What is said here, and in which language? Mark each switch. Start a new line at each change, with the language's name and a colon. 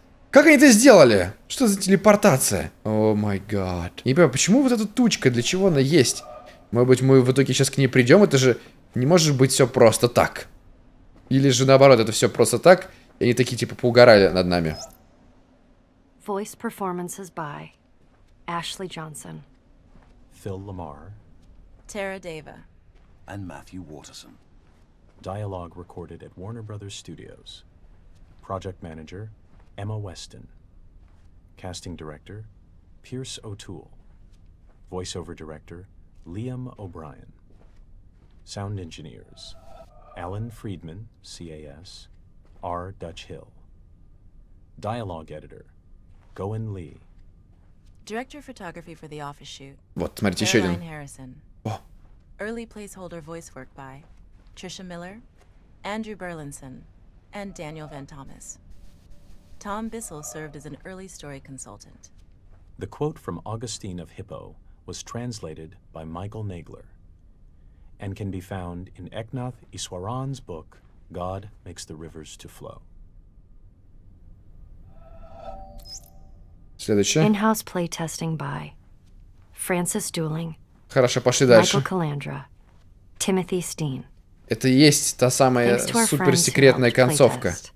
Russian: Как они это сделали? Что за телепортация?
English: О май гад.
Russian: Не понимаю, почему вот эта тучка, для чего она есть? Может быть, мы в итоге сейчас к ней придем? Это же не может быть все просто так. Или же наоборот, это все просто так, и они такие типа поугарали над нами.
English: Voice performances by Ashley Johnson, Phil Lamar, Tara Deva, and Matthew Waterson. Dialogue recorded at Warner Brothers Studios. Project manager Emma Weston. Casting director Pierce O'Toole. Voiceover director Liam O'Brien. Sound engineers Alan Friedman, CAS, R. Dutch Hill. Dialogue editor Гоэн Ли.
Russian: Директор фотографии для офис шут. Вот, смотрите, еще один. Харрисон. О.
English: Early placeholder voice work by Trisha Miller, Andrew Berlinson, and Daniel Van Thomas. Tom Bissell served as an early story consultant. The quote from Augustine of Hippo was translated by Michael Nagler and can be found in Eknath Iswaran's book, God Makes the Rivers to Flow.
Russian: Следующее.
English: In-house playtesting by Francis Dooling.
Russian: Хорошо, пошли дальше.
English: Michael Calandra, Timothy Steen.
Russian: Это и есть та самая суперсекретная концовка.